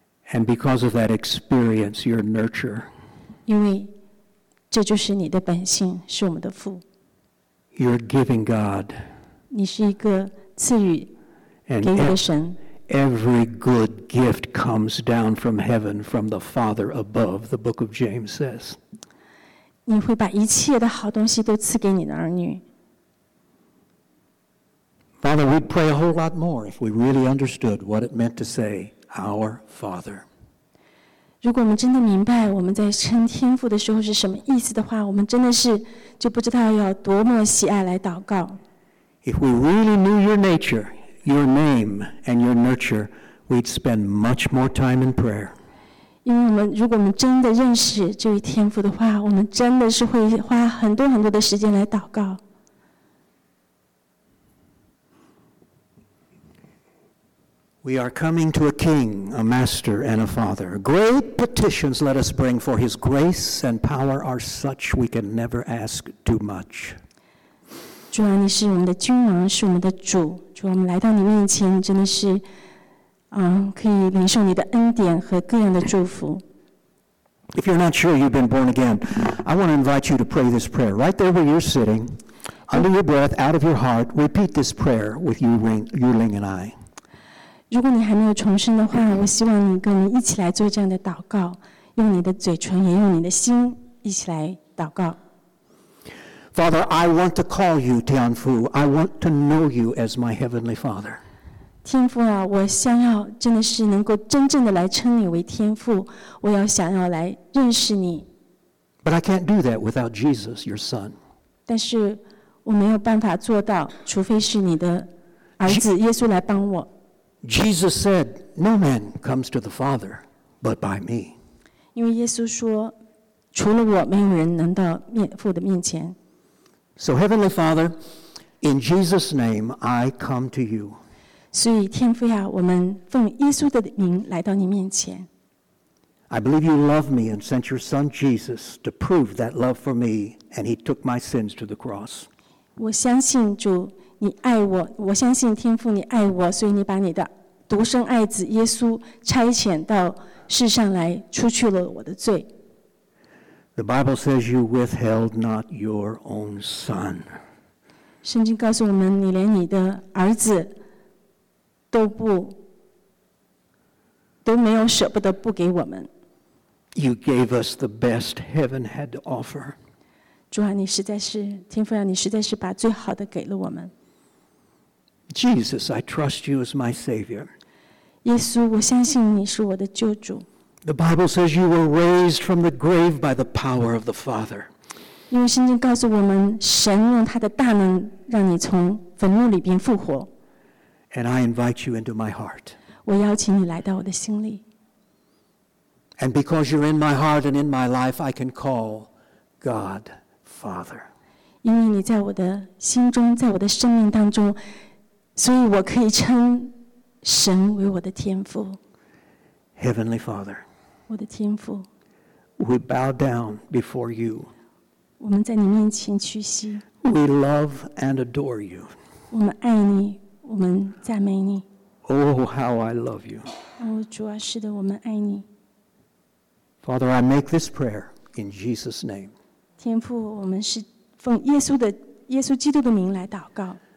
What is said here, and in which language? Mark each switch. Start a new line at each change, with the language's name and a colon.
English: And because of that experience, your nurture.
Chinese: 因为这就是你的本性，是我们的父。
English: You're giving God.
Chinese: 你是一个赐予给你的神。
English: Every good gift comes down from heaven, from the Father above, the book of James says.
Chinese: 你会把一切的好东西都赐给你的儿女。
English: Father, we'd pray a whole lot more if we really understood what it meant to say, Our Father.
Chinese: 如果我们真的明白我们在称天父的时候是什么意思的话，我们真的是就不知道要多么喜爱来祷告。
English: If we really knew your nature, your name, and your nurture, we'd spend much more time in prayer.
Chinese: 因为我们如果我们真的认识这位天父的话，我们真的是会花很多很多的时间来祷告。
English: We are coming to a king, a master, and a father. Great petitions let us bring, for his grace and power are such we can never ask too much.
Chinese: 主啊，你是我们的君王，是我们的主。主啊，我们来到你面前，真的是，可以领受你的恩典和各样的祝福。
English: If you're not sure you've been born again, I want to invite you to pray this prayer right there where you're sitting, under your breath, out of your heart. Repeat this prayer with Yuling and I.
Chinese: 如果你还没有重生的话，我希望你跟我们一起来做这样的祷告，用你的嘴唇，也用你的心一起来祷告。
English: Father, I want to call you Tianfu. I want to know you as my heavenly Father.
Chinese: 天父啊，我想要真的是能够真正的来称你为天父，我要想要来认识你。
English: But I can't do that without Jesus, your Son.
Chinese: 但是我没有办法做到，除非是你的儿子耶稣来帮我。
English: Jesus said, "No man comes to the Father but by me."
Chinese: 因为耶稣说，除了我，没有人能到父的面前。
English: So, Heavenly Father, in Jesus' name, I come to you.
Chinese: 所以天父呀，我们奉耶稣的名来到你面前。
English: I believe you love me and sent your Son Jesus to prove that love for me, and He took my sins to the cross.
Chinese: 我相信主。你爱我，我相信天父，你爱我，所以你把你的独生爱子耶稣差遣到世上来，除去了我的罪。
English: The Bible says you withheld not your own son.
Chinese: 圣经告诉我们，你连你的儿子都没有舍不得不给我们。
English: You gave us the best heaven had to offer.
Chinese: 主啊，你实在是天父啊，你实在是把最好的给了我们。
English: Jesus, I trust you as my Savior.
Chinese: 耶稣，我相信你是我的救主。
English: The Bible says you were raised from the grave by the power of the Father.
Chinese: 因为圣经告诉我们，神用他的大能让你从坟墓里边复活。
English: And I invite you into my heart.
Chinese: 我邀请你来到我的心里。
English: And because you're in my heart and in my life, I can call God Father.
Chinese: 因为你在我的心中，在我的生命当中。所以我可以称神为我的天父。
English: Heavenly Father,
Chinese: 我的天父。
English: We bow down before you.
Chinese: 我们在你面前屈膝。
English: We love and adore you.
Chinese: 我们爱你，我们赞美你。
English: Oh, how I love you.
Chinese: 哦，主啊，是的，我们爱你。
English: Father, I make this prayer in Jesus' name.
Chinese: 天父，我们是奉耶稣基督的名来祷告。